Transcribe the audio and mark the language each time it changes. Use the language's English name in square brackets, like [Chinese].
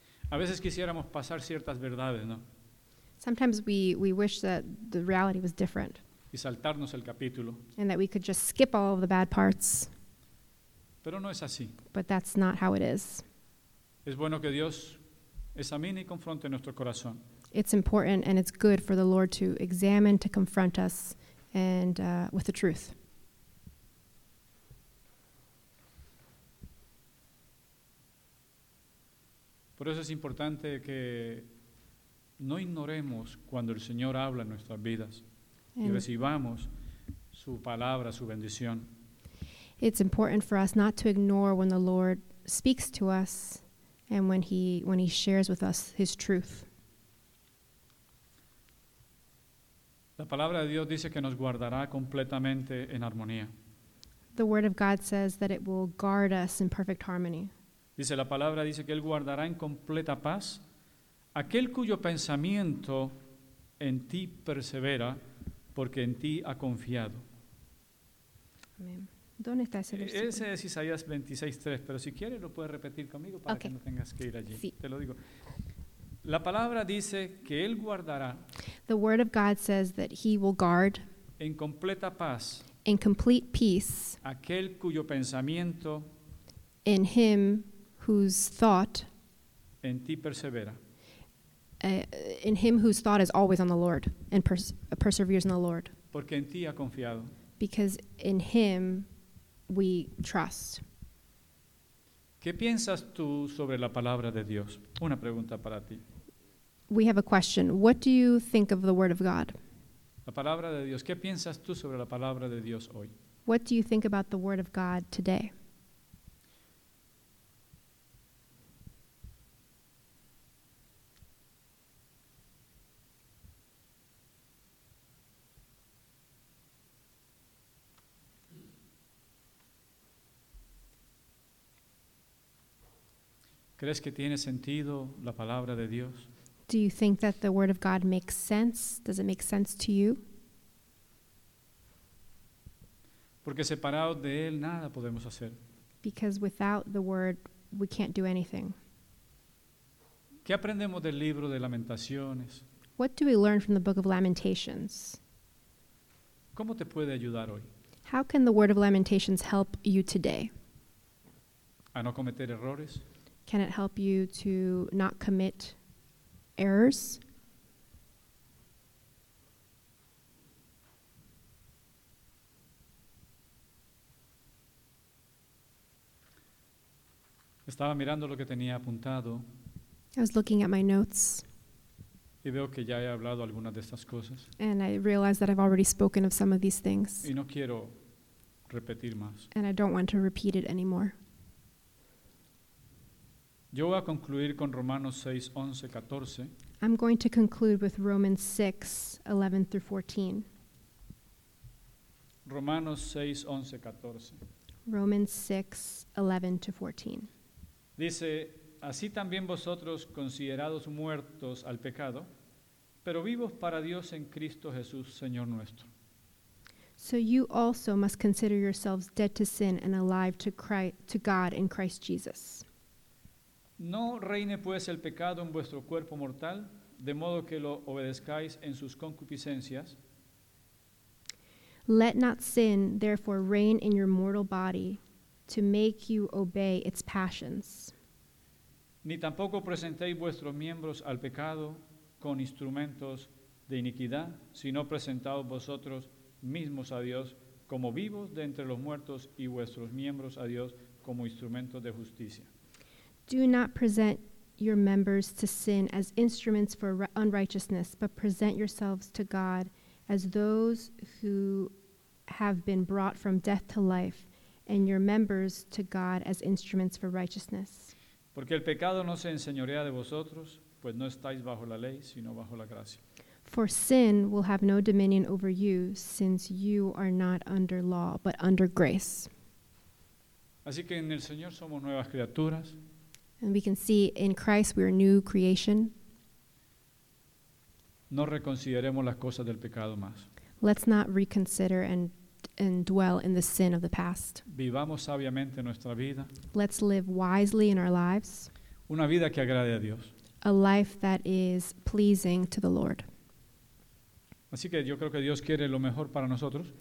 [Spanish] A veces quisiéramos pasar ciertas verdades, ¿no? [English] Sometimes we wish that the reality was different. [Spanish] Y saltarnos el capítulo. [English] And that we could just skip all of the bad parts. [Spanish] Pero no es así. [English] But that's not how it is. [Spanish] Es bueno que Dios examine y confronte nuestro corazón. [English] It's important and it's good for the Lord to examine, to confront us and with the truth. [Spanish] Por eso es importante que no ignoremos cuando el Señor habla en nuestras vidas y recibamos su palabra, su bendición. [English] It's important for us not to ignore when the Lord speaks to us and when he shares with us his truth. [Spanish] La palabra de Dios dice que nos guardará completamente en armonía. [English] The word of God says that it will guard us in perfect harmony. [Spanish] Dice la palabra dice que él guardará en completa paz aquel cuyo pensamiento en ti persevera porque en ti ha confiado. Amén. ¿Dónde está ese versículo? Ese es Isaías 26:3, pero si quieres lo puedes repetir conmigo para que no tengas que ir allí. Sí. Te lo digo. La palabra dice que él guardará. [English] The word of God says that he will guard. [Spanish] En completa paz. [English] In complete peace. [Spanish] Aquel cuyo pensamiento. [English] In him whose thought. [Spanish] En ti persevera. [English] In him whose thought is always on the Lord and perseveres in the Lord. [Spanish] Porque en ti ha confiado. [English] Because in him we trust. [Spanish] ¿Qué piensas tú sobre la palabra de Dios? Una pregunta para ti. [English] We have a question. What do you think of the word of God? [Spanish] La palabra de Dios. ¿Qué piensas tú sobre la palabra de Dios hoy? [English] What do you think about the word of God today? [Spanish] ¿Crees que tiene sentido la palabra de Dios? [English] Do you think that the word of God makes sense? Does it make sense to you? [Spanish] Porque separados de él nada podemos hacer. [English] Because without the word we can't do anything. [Spanish] ¿Qué aprendemos del libro de Lamentaciones? [English] What do we learn from the Book of Lamentations? [Spanish] ¿Cómo te puede ayudar hoy? [English] How can the Word of Lamentations help you today? [Spanish] A no cometer errores. [English] Can it help you to not commit errors? [Spanish] Estaba mirando lo que tenía apuntado. [English] I was looking at my notes. [Spanish] Y veo que ya he hablado algunas de estas cosas. [English] And I realize that I've already spoken of some of these things. [Spanish] Y no quiero repetir más. [English] And I don't want to repeat it anymore. [Spanish] Yo voy a concluir con Romanos 6, 11, 14. [English] I'm going to conclude with Romans 6, 11 through 14. [Spanish] Romanos 6, 11, 14. [English] Romans 6, 11 to 14. [Spanish] Dice, así también vosotros considerados muertos al pecado, pero vivos para Dios en Cristo Jesús, Señor nuestro. [English] So you also must consider yourselves dead to sin and alive to Christ, to God in Christ Jesus. [Spanish] No reine pues el pecado en vuestro cuerpo mortal, de modo que lo obedezcáis en sus concupiscencias. [English] Let not sin therefore reign in your mortal body to make you obey its passions. [Spanish] Ni tampoco presentéis vuestros miembros al pecado con instrumentos de iniquidad, sino presentaos vosotros mismos a Dios como vivos de entre los muertos y vuestros miembros a Dios como instrumentos de justicia. [English] Do not present your members to sin as instruments for unrighteousness, but present yourselves to God as those who have been brought from death to life, and your members to God as instruments for righteousness. [Spanish] Porque el pecado no se enseñorea de vosotros, pues no estáis bajo la ley, sino bajo la gracia. [English] For sin will have no dominion over you, since you are not under law, but under grace. [Spanish] Así que en el Señor somos nuevas criaturas. [English] And we can see in Christ we are new creation. [Spanish] No reconsideremos las cosas del pecado más. [English] Let's not reconsider and dwell in the sin of the past. [Spanish] Vivamos sabiamente nuestra vida. [English] Let's live wisely in our lives. [Spanish] Una vida que agrade a Dios. [English] A life that is pleasing to the Lord. [Spanish] Así que yo creo que Dios quiere lo mejor para nosotros.